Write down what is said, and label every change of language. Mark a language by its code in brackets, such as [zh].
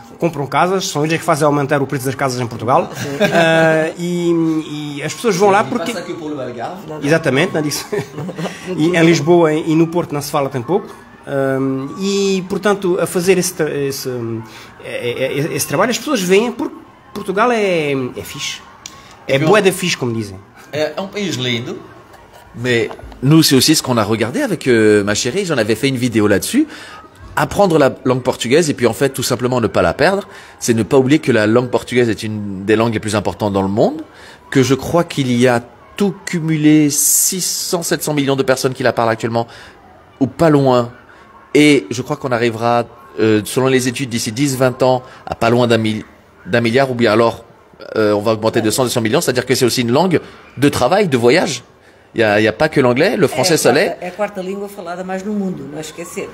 [pt] Compram casas, são eles que fazem aumentar o preço das casas em Portugal. E as pessoas vão lá porque... Passa aqui por Algarve. Exatamente, não é isso? E em Lisboa e no Porto não se fala tão pouco. E, portanto, a fazer esse trabalho, as pessoas vêm porque Portugal é fixe. É bué de fixe, como dizem. É um país lindo, [fr] mas nous, c'est aussi ce qu'on a regardé avec ma chérie, j'en avais fait une vidéo là-dessus. Apprendre la langue portugaise et puis en fait tout simplement ne pas la perdre, c'est ne pas oublier que la langue portugaise est une des langues les plus importantes dans le monde, que je crois qu'il y a tout cumulé 600-700 millions de personnes qui la parlent actuellement, ou pas loin, et je crois qu'on arrivera, selon les études, d'ici 10-20 ans, à pas loin d'un milliard, ou bien alors on va augmenter de 100-200 millions, c'est-à-dire que c'est aussi une langue de travail, de voyage. Il y a pas que l'anglais, le français ça l'est. [pt] É a quarta língua falada mais no mundo, não esquecer.